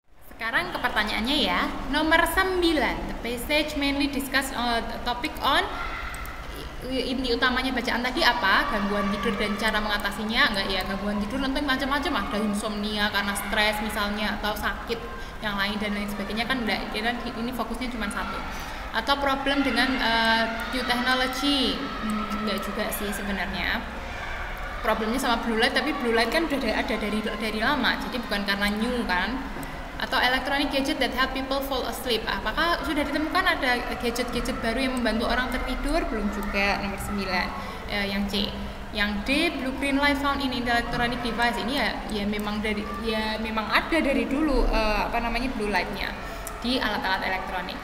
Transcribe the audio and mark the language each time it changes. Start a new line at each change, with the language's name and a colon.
Indonesian: Sekarang ke pertanyaannya ya, nomor 9,
English: the passage mainly discuss topic on,
Indonesian: inti utamanya bacaan tadi apa, gangguan tidur dan cara mengatasinya, enggak ya, gangguan tidur nanti macam-macam, ada insomnia karena stres misalnya, atau sakit yang lain dan lain sebagainya, kan enggak, ini fokusnya cuma satu. Atau problem dengan
English: new technology,
Indonesian: enggak juga sih sebenarnya. Problemnya sama blue light, tapi blue light kan udah ada dari lama, jadi bukan karena
English: new
Indonesian: kan. Atau
English: electronic gadget that help people fall asleep.
Indonesian: Apakah sudah ditemukan ada gadget-gadget baru yang membantu orang tertidur? Belum juga, nomor 9. Yang C. Yang D,
English: blue green light found in electronic device.
Indonesian: Ini memang ada dari dulu blue light-nya di alat-alat elektronik.